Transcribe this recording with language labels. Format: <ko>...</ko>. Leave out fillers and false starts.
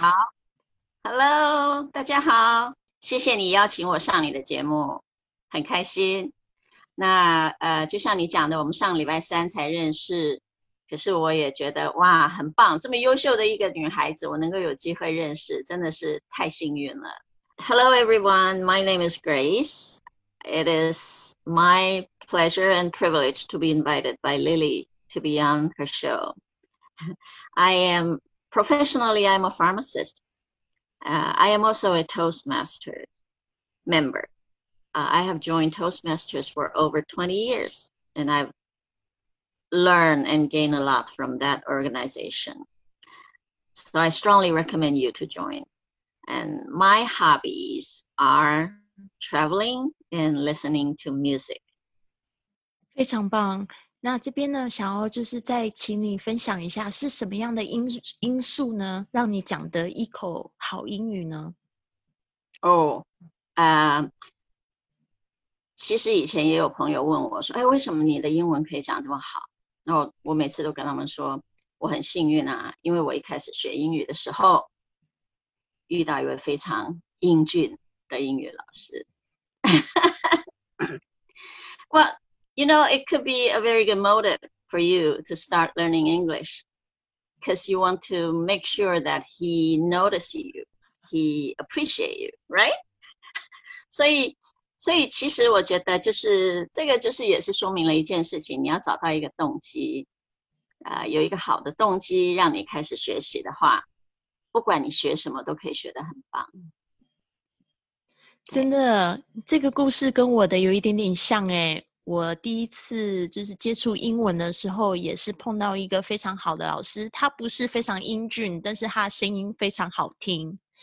<zh>好， Hello 大家好，谢谢你邀请我上你的节目，很开心。那就像你讲的，我们上礼拜三才认识，可是我也觉得哇很棒，这么优秀的一个女孩子我能够有机会认识真的是太幸运了。</zh> <en>Hello everyone, my name is Grace. It is my pleasure and privilege to be invited by Lily to be on her show. I'm a pharmacist. I am also a Toastmaster member. I have joined Toastmasters for over 20 years and I'veLearn and gain a lot from that organization. So I strongly recommend you to join. And my hobbies are traveling and listening to music.</en> <zh>非常棒。那这边呢，想要就是再请你分享一下，是什么样的因素呢，让你讲得一口好英语呢？其实以前也有朋友问我说，哎，为什么你的英文可以讲这么好？然后我每次都跟他们说我很幸运啊，因为我一开始学英语的时候遇到一位非常英俊的英语老师。</zh> <en>Well, you know, it could be a very good motive for you to start learning English because you want to make sure that he notices you, he appreciates you, right?</en> <zh>所以其实我觉得就是这个就是也是说明了一件事情，你要找到一个动机有一个好的动机让你开始学习的话，不管你学什么都可以学得很棒。真的这个故事跟我的有一点点像耶，我第一次就是接触英文的时候也是碰到一个非常好的老师，他不是非常英俊，但是他声音非常好听，</zh>